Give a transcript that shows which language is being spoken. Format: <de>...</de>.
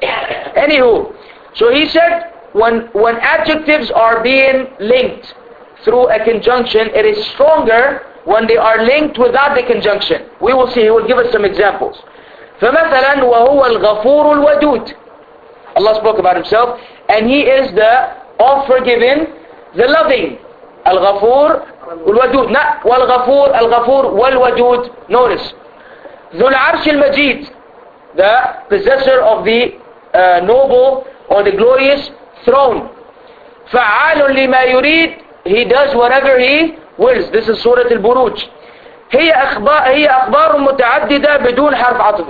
<en>Anywho, so he said, when adjectives are being linked through a conjunction, it is stronger when they are linked without the conjunction. We will see, he will give us some examples.</en> <ar>فَمَثَلًا وَهُوَ الْغَفُورُ الْوَدُودِ.</ar> <en>Allah spoke about Himself, and He is the all-forgiving, the loving,</en> <ar>الغفور والودود.</ar> <en>Not</en> <ar>والغفور, الغفور والودود.</ar> <en>Notice,</en> <ar>ذو العرش المجيد,</ar> <en>the possessor of the noble or the glorious throne.</en> <ar>فعال لما يريد,</ar> <en>he does whatever he wills. This is Surah Al-Buruj.</en> <ar>هي أخبار متعددة بدون حرف عطف.</ar>